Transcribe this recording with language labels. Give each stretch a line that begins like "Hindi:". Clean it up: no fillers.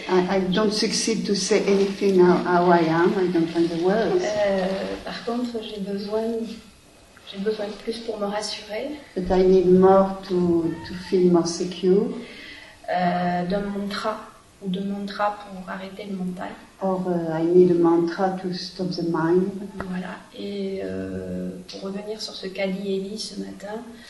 English: I don't succeed to say anything how I am. I don't find the words.
French: Par contre, j'ai besoin de plus pour me rassurer.
English: But I need more to feel more secure.
French: D'un mantra pour arrêter le mental.
English: Or I need a mantra to stop the mind.
French: Voilà. Et pour revenir sur ce qu'a dit Ellie ce matin.